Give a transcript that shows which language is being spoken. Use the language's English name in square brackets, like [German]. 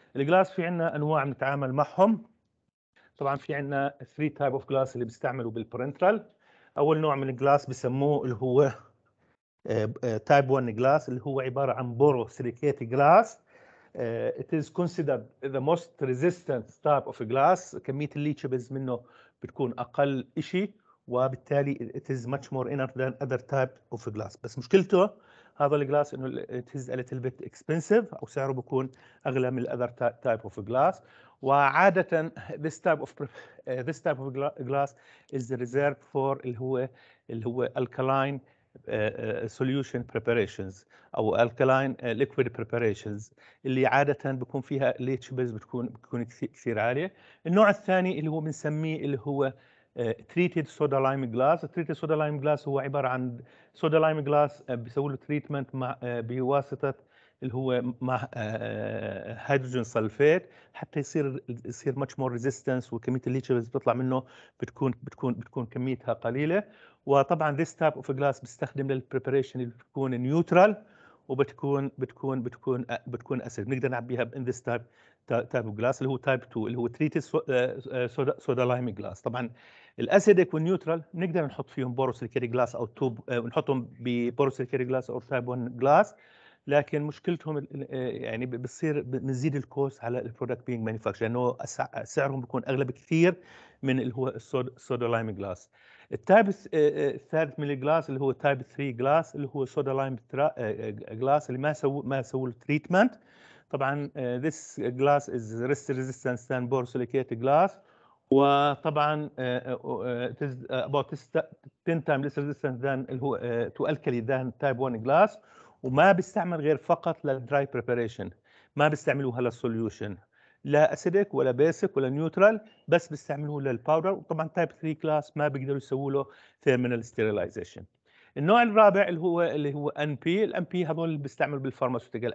[Arabic] الجلاس في عنا أنواع نتعامل معهم. طبعاً في عنا [English] 3 type of glass [Arabic] اللي بيستعملوا بالبرنترال. أول نوع من الجلاس بسموه اللي هو [English] type 1 glass [Arabic] اللي هو عبارة عن بورو سيليكيت جلاس. [English] It is considered the most resistant type of glass. [Arabic] كمية الليتشبز منه بتكون أقل إشي. وبالتالي [English] it is much more inert than other type of glass. [Arabic] بس مشكلته هذا الجلاس انه [English] it is a little bit expensive [Arabic] او سعره بكون اغلى من [English] other type of glass. وعادة this type of glass is reserved for [Arabic] اللي هو [English] alkaline solution preparations او alkaline liquid preparations [Arabic] اللي عادة بكون فيها [English] leachables [Arabic] بتكون كثير عالية. النوع الثاني اللي هو بنسميه اللي هو [English] treated soda lime glass. Treated soda lime glass [Arabic] هو عبارة عن [English] soda lime glass [Arabic] بيسوي له treatment مع بواسطة اللي هو مع هيدروجين سلفيت حتى يصير [English] much more resistance [Arabic] وكمية الليتشبز بتطلع منه بتكون كميتها قليلة. وطبعا [English] this type of glass [Arabic] بيستخدم للpreparation اللي بتكون neutral وبتكون بتكون بتكون بتكون acid. نقدر نعبيها [English] in this type of glass [Arabic] اللي هو [English] type 2 اللي هو treated soda lime glass. [Arabic] طبعا الاسيديك والنيوترال نقدر نحط فيهم بوروسيليكيت جلاس او توب ونحطهم ببوروسيليكيت جلاس او تايب 1 جلاس، لكن مشكلتهم يعني بتصير بنزيد الكوست على البرودكت بينج مانيفاكتشر لانه سعرهم بيكون اغلى بكثير من اللي هو السودا لايم جلاس. التايب الثالث من الجلاس اللي هو تايب 3 جلاس اللي هو سودا لايم جلاس اللي ما سووا له تريتمنت. [English] طبعا this glass is less resistant than borosilicate glass. وطبعا it is about 10 times less resistant than [Arabic] اللي هو [English] to alkali than type 1 glass. [Arabic] وما بيستعمل غير فقط للدراي preparation، ما بيستعملوها للسوليوشن، لا acidic ولا basic ولا neutral، بس بيستعملوه للباودر. وطبعا [English] type 3 glass [Arabic] ما بيقدروا يسووا له [English] thermal sterilization. [Arabic] النوع الرابع اللي هو NP. NP هذول اللي بيستعملوا بالفارماسيوتيكال.